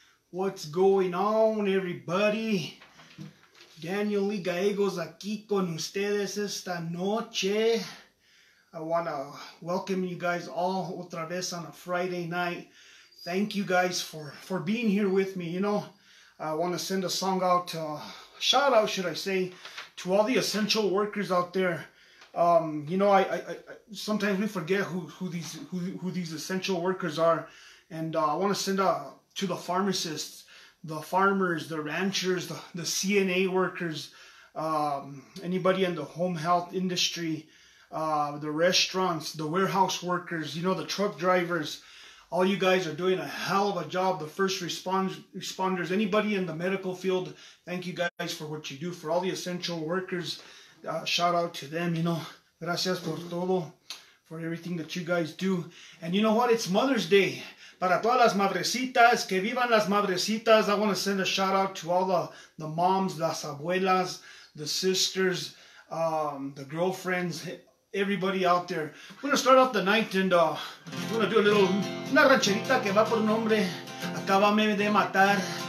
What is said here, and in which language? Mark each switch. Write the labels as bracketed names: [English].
[English] What's going on, everybody? [Spanish] Daniel Lee Gallegos aquí con ustedes esta noche. [English] I want to welcome you guys all [Spanish] otra vez [English] on a Friday night. Thank you guys for being here with me. You know, I want to send a song out, shout out, should I say, to all the essential workers out there. You know, I sometimes we forget who these essential workers are, and I want to send out to the pharmacists, the farmers, the ranchers, the CNA workers, anybody in the home health industry, the restaurants, the warehouse workers, you know, the truck drivers. All you guys are doing a hell of a job. The first responders, anybody in the medical field, thank you guys for what you do. For all the essential workers, shout out to them, you know. [Spanish] Gracias por todo, [English] for everything that you guys do. And you know what? It's Mother's Day. [Spanish] Para todas las madrecitas, que vivan las madrecitas. [English] I want to send a shout out to all the moms, [Spanish] las abuelas, [English] the sisters, the girlfriends, everybody out there. We're going to start off the night and we're going to do a little, [Spanish] una rancherita que va por nombre, acábame de matar.